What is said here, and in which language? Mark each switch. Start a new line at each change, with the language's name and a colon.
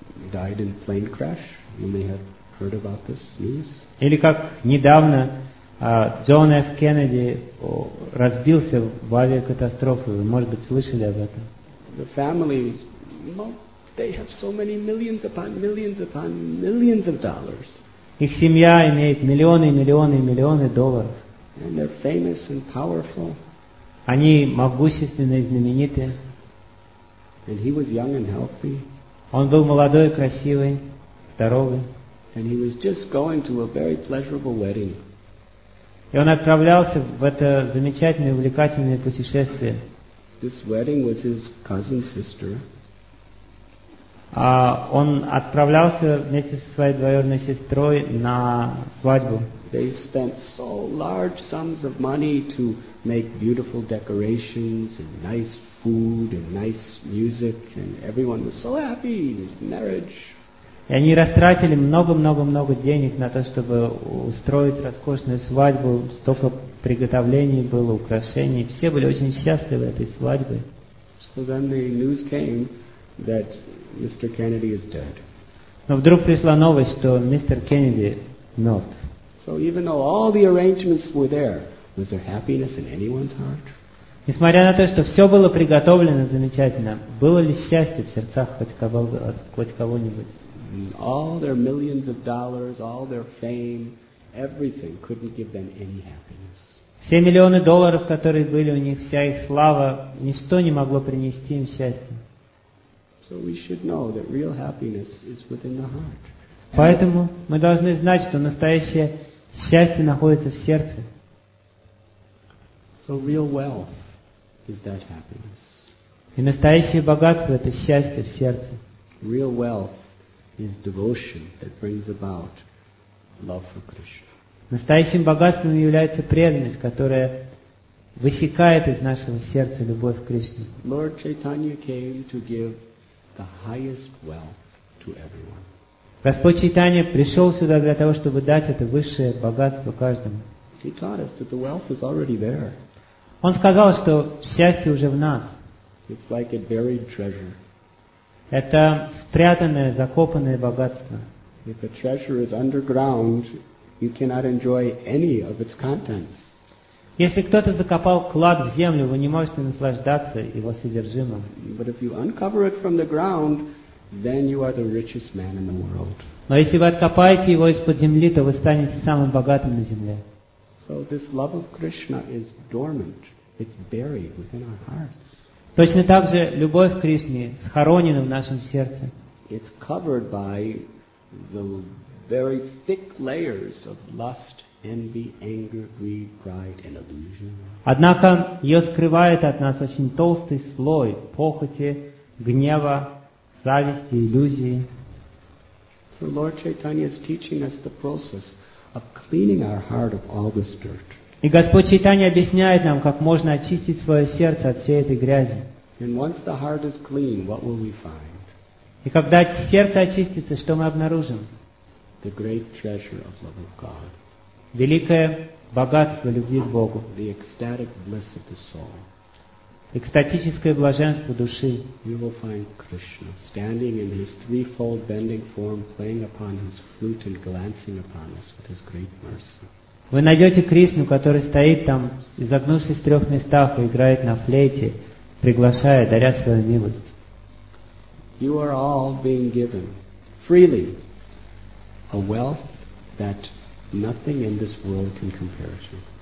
English: died in plane crash, you may have heard about this news.
Russian: Или как недавно Джон Ф. Кеннеди разбился в авиакатастрофе. Вы, может быть, слышали об этом?
English: The families, they have so many millions upon millions upon millions of dollars.
Russian: Их семья имеет миллионы и миллионы и миллионы долларов.
English: And they're famous and powerful.
Russian: Они могущественные и знаменитые.
English: And he was young and healthy.
Russian: Он был молодой, красивый, здоровый.
English: And he was just going to a very pleasurable wedding.
Russian: И он отправлялся в это замечательное, увлекательное путешествие.
English: This wedding was his cousin's sister.
Russian: Он отправлялся вместе со своей двоюродной сестрой на свадьбу.
English: They spent so large sums of money to make beautiful decorations and nice food and nice music, and everyone was so happy with marriage.
Russian: И они растратили много-много-много денег на то, чтобы устроить роскошную свадьбу. Столько приготовлений было, украшений. Все были очень счастливы этой свадьбой.
English: So then the news came that Mr. Kennedy is dead.
Russian: Но вдруг пришла новость, что мистер Кеннеди мертв.
English: So even though all the arrangements were there, was there happiness in anyone's heart?
Russian: Несмотря на то, что все было приготовлено замечательно, было ли счастье в сердцах хоть кого-нибудь?
English: All their millions of dollars, all their fame, everything couldn't give them any happiness.
Russian: Все миллионы долларов, которые были у них, вся их слава, ничто не могло принести им счастья.
English: So we should know that real happiness is within the heart.
Russian: Поэтому мы должны знать, что настоящее счастье находится в сердце.
English: So real wealth is that happiness.
Russian: И настоящее богатство — это счастье в сердце.
English: Real wealth is devotion that brings about love for Krishna.
Russian: Настоящим богатством является преданность, которая высекает из нашего сердца любовь к Кришне.
English: Lord Chaitanya came to give the highest wealth to everyone.
Russian: Господь Чайтанья пришел сюда для того, чтобы дать это высшее богатство каждому.
English: He taught us that the wealth is already there.
Russian: Он сказал, что счастье уже в нас.
English: It's like a buried treasure.
Russian: Это спрятанное, закопанное богатство.
English: If a treasure is underground, you cannot enjoy any of its contents.
Russian: Если кто-то закопал клад в землю, вы не можете наслаждаться его содержимым.
English: But if you uncover it from the ground, then you are the richest man in the world.
Russian: Но если вы откопаете его из-под земли, то вы станете самым богатым на земле.
English: So this love of Krishna is dormant. It's buried within our hearts.
Russian: Точно так же любовь к Кришне схоронена в нашем сердце.
English: It's covered by the very thick layers of lust, envy, anger, greed, pride and illusion.
Russian: Однако ее скрывает от нас очень толстый слой похоти, гнева, зависти, иллюзии.
English: So Lord Chaitanya is teaching us the process of cleaning our heart of all this dirt.
Russian: И Господь Чайтанья объясняет нам, как можно очистить свое сердце от всей этой грязи.
English: And once the heart is clean, what will we find?
Russian: И когда сердце очистится, что мы обнаружим?
English: The great treasure of love of God.
Russian: великое богатство любви к Богу,
English: the ecstatic bliss of the soul.
Russian: Экстатическое блаженство души.
English: You will find Krishna standing in his threefold bending form, playing upon his flute and glancing upon us with his great mercy.
Russian: Вы найдете Кришну, который стоит там, изогнувшись в трех местах, и играет на флейте, приглашая, даря свою милость.
English: You are all being given freely a wealth that nothing in this world can compare to.